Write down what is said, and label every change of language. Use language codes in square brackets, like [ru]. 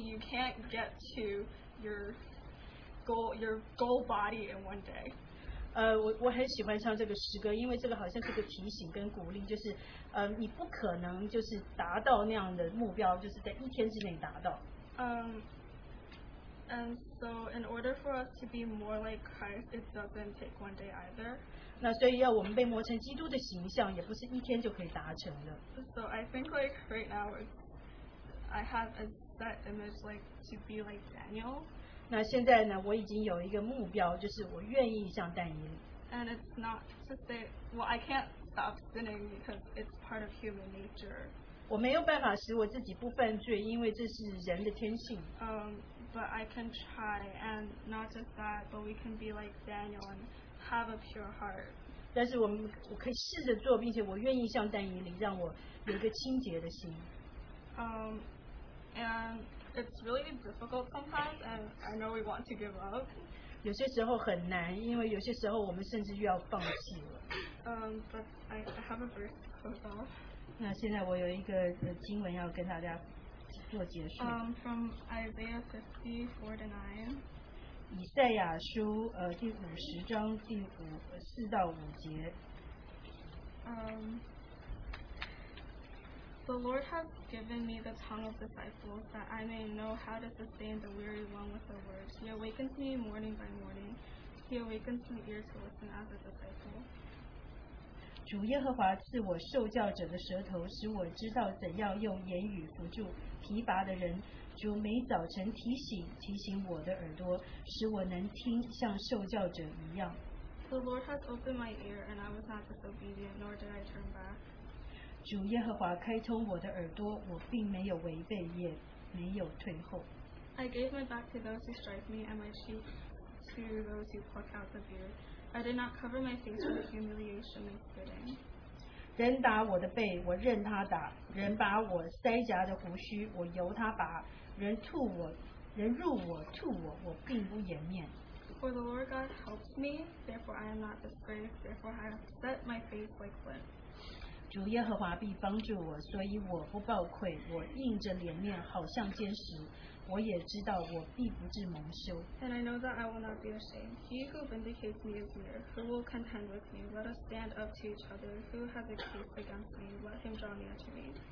[en] You can't get to your goal body in one day. [zh] 我很喜欢唱这个诗歌，因为这个好像是个提醒跟鼓励，就是你不可能就是达到那样的目标，就是在一天之内达到。 [en] And so in order for us to be more like Christ, it doesn't take one day either. [zh] 那所以要我们被磨成基督的形象，也不是一天就可以达成的。 [en] So I think like right now, I have a set image like to be like Daniel. [zh] 那现在呢，我已经有一个目标，就是我愿意像但以理。 [en] And it's not to say, well, I can't stop sinning because it's part of human nature. [zh] 我没有办法使我自己不犯罪，因为这是人的天性。 [en] But I can try, and not just that, but we can be like Daniel and have a pure heart. [zh] 但是我可以试着做，并且我愿意像但以理，让我有一个清洁的心。 [en] And it's really difficult sometimes, and I know we want to give up. [zh] 有些时候很难，因为有些时候我们甚至又要放弃了。 [en] But I have a verse to close off. [zh] 那现在我有一个经文要跟大家做结束。 [en] From Isaiah 54:9. [zh] 以赛亚书第五十章第五四到五节。 [en] The Lord has given me the tongue of disciples, that I may know how to sustain the weary one with the word. He awakens me morning by morning. He awakens my ear to listen as a disciple. [zh] 主耶和华赐我受教者的舌头，使我知道怎样用言语扶助疲乏的人。主每早晨提醒我的耳朵，使我能听像受教者一样。 [en] The Lord has opened my ear, and I was not disobedient, nor did I turn back. [zh] 主耶和华开通我的耳朵，我并没有违背，也没有退后。 [en] I gave my back to those who strike me, and my cheek to those who pluck out the beard. I did not cover my face with humiliation and spitting. [zh] 人打我的背，我任他打；人把我腮颊的胡须，我由他拔；人吐我，人入我吐我，我并不掩面。 [en] For the Lord God helps me, therefore I am not disgraced. Therefore I have set my face like flint. [zh] 主耶和华必帮助我，所以我不抱愧。我硬着脸面，好像坚实。我也知道我必不至蒙羞。 [en] And I know that I will not be ashamed. He who vindicates me is near. Who will contend with me? Let us stand up to each other. Who has a case against me? Let him draw near to me.